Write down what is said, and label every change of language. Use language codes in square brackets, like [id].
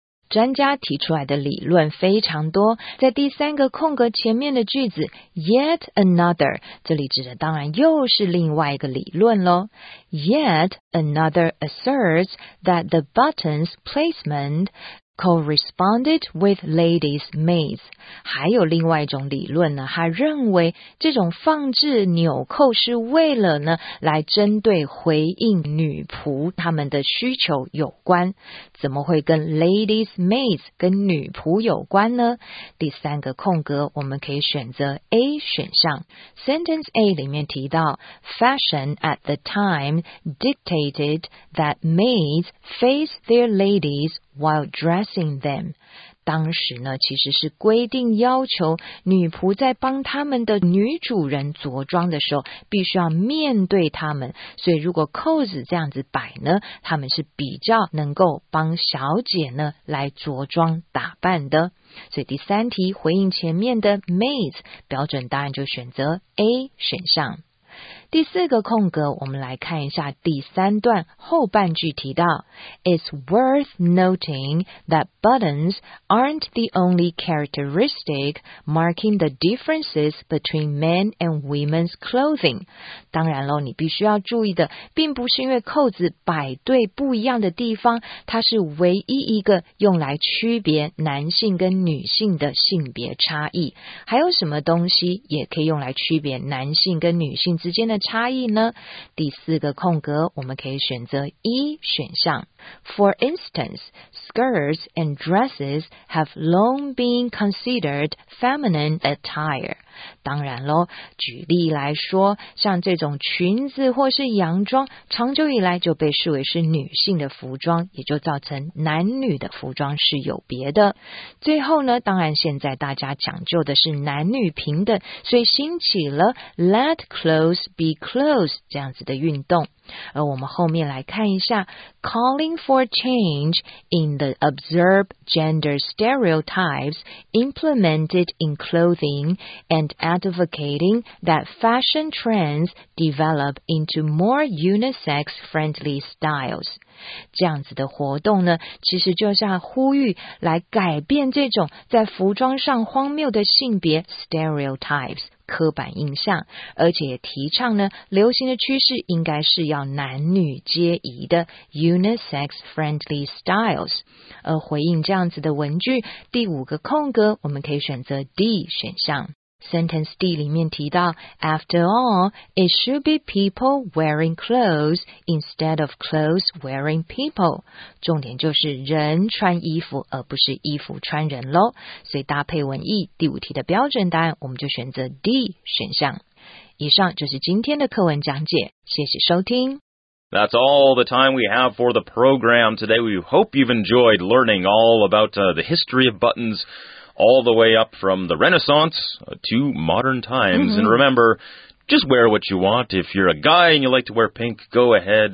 [zh] 专家提出来的理论非常多，在第三个空格前面的句子 [en] yet another， [zh] 这里指的当然又是另外一个理论咯。 [en] Yet another asserts that the button's placement corresponded with ladies' maids。 [zh] 还有另外一种理论呢，他认为这种放置纽扣是为了呢来针对回应女仆他们的需求有关。怎么会跟 [en] ladies' maids [zh] 跟女仆有关呢？第三个空格我们可以选择 A 选项。 [en] Sentence A [zh] 里面提到 [en] Fashion at the time dictated that maids face their ladies while dressing them。 [zh] 当时呢，其实是规定要求女仆在帮他们的女主人着装的时候必须要面对他们，所以如果扣子这样子摆呢，他们是比较能够帮小姐呢来着装打扮的。所以第三题回应前面的 maids， 标准答案就选择 A 选项。第四个空格我们来看一下第三段后半句，提到 [en] It's worth noting that buttons aren't the only characteristic marking the differences between men and women's clothing。 [zh] 当然咯，你必须要注意的并不是因为扣子摆对不一样的地方，它是唯一一个用来区别男性跟女性的性别差异。还有什么东西也可以用来区别男性跟女性之间的差异呢？第四个空格我们可以选择 E 选项。 [en] For instance, skirts and dresses have long been considered feminine attire。 [zh] 当然咯，举例来说，像这种裙子或是洋装长久以来就被视为是女性的服装，也就造成男女的服装是有别的。最后呢，当然现在大家讲究的是男女平等，所以兴起了 [en] Let clothes be clothes [zh] 这样子的运动。而我们后面来看一下 [en] Calling for change in the observed gender stereotypes implemented in clothing and advocating that fashion trends develop into more unisex friendly styles。 [zh] 这样子的活动呢，其实就是呼吁来改变这种在服装上荒谬的性别 stereotypes刻板印象，而且也提倡呢，流行的趋势应该是要男女皆宜的 [en] unisex friendly styles。 [zh] 而回应这样子的文句，第五个空格我们可以选择 D 选项。 [en] Sentence D [zh] 里面提到 [en] After all, it should be people wearing clothes instead of clothes wearing people。 [zh] 重点就是人穿衣服而不是衣服穿人咯。所以搭配文意，第五题的标准答案我们就选择 D 选项。以上就是今天的课文讲解，谢谢收听。 [en] That's all the time we have for the program today. We hope you've enjoyed learning all about the history of buttons all the way up from the Renaissance to modern times. Mm-hmm. And remember, just wear what you want. If you're a guy and you like to wear pink, go ahead.